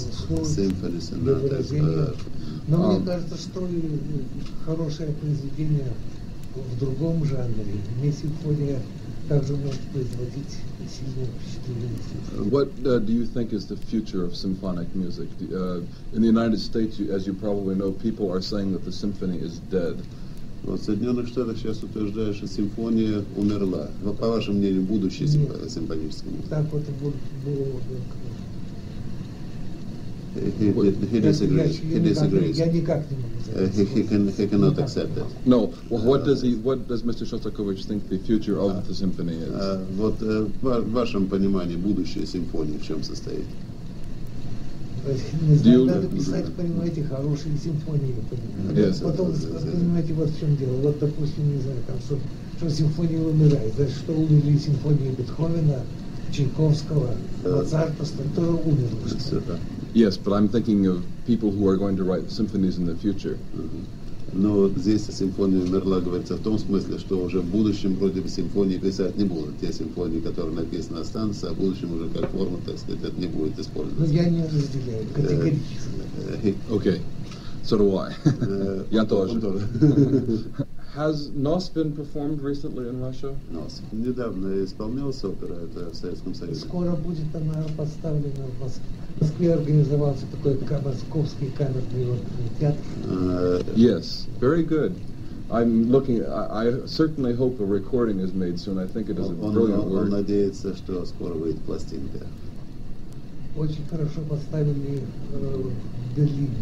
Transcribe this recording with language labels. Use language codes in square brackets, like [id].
[ru] symphony, соната, но мне кажется, что хорошее произведение в другом жанре, не симфония, также может производить сильное впечатление. [en] What do you think is the future of symphonic music? In the United States, as you probably know, people are saying that the symphony is dead. [ru] В Соединенных Штатах сейчас утверждают, что симфония умерла. Но, по вашему мнению, будущее симфонической музыки? Так вот было бы. [en] He disagrees. He cannot accept it. No. What does Mr. Shostakovich think the future of the symphony is? [ru] Вот в вашем понимании будущее симфонии в чем состоит? Надо писать, понимаете, хорошие симфонии. Потом, понимаете, вот в чем дело. Вот, допустим, не знаю, там, что симфония умирает. Значит, что умерли симфонии Бетховена, Чайковского, Моцарта, то умерло. [en] Yes, but I'm thinking of people who are going to write symphonies in the future. [ru] Но здесь симфония умерла, говорится в том смысле, что уже в будущем вроде бы симфонии писать не будут. Те симфонии, которые написаны, останутся, а в будущем уже как форма, так сказать, это не будет использоваться. Но я не разделяю категорически. [en] Okay, so do I. [ru] Я тоже. [en] Has NOS been performed recently in Russia? NOS. [ru] Недавно исполнялась опера, это в Советском Союзе. Скоро будет она поставлена в Москве. В Москве организовался такой Московский камерный театр. [en] Yes, very good. I'm looking, I certainly hope a recording is made soon. I think it is a brilliant work. [ru] Он надеется, что скоро выйдет пластинка. Очень хорошо поставили в Берлине.